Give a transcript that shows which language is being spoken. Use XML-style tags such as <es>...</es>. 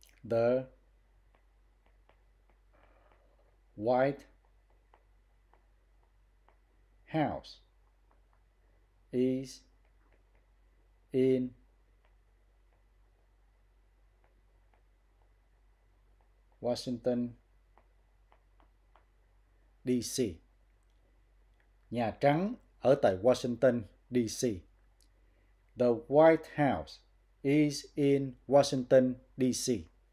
<en>The White House is in Washington, D.C.</en> <vi>Nhà Trắng ở tại Washington, D.C.</vi> <en>The White House is in Washington, D.C.</en>